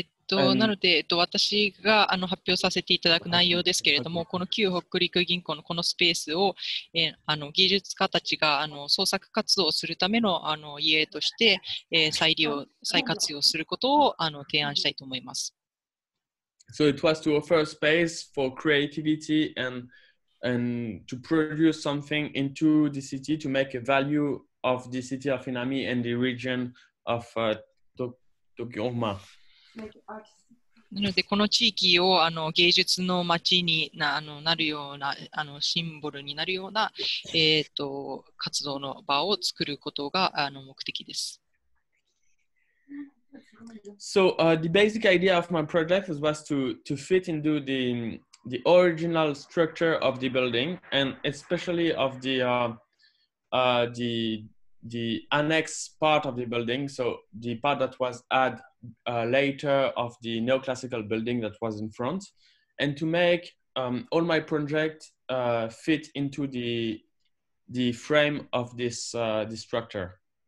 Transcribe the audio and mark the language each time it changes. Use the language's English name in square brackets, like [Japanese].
[Japanese] なので、私が発表させていただく内容ですけれども、この旧北陸銀行のこのスペースを、芸術家たちが創作活動をするための家として、再利用、再活用することを提案したいと思います。 [English] So it was to offer space for creativity and to produce something into the city to make a value of the city of Inami and the region of Tokyoma. [Japanese] なのでこの地域を芸術の街に なるようなシンボルになるような、活動の場を作ることが目的です。 [English] So, the basic idea of my project was to fit into the original structure of the building and especially of the annex part of the building, so the part that was addlater of the neoclassical building that was in front, and to make all my project fit into the frame of this this structure.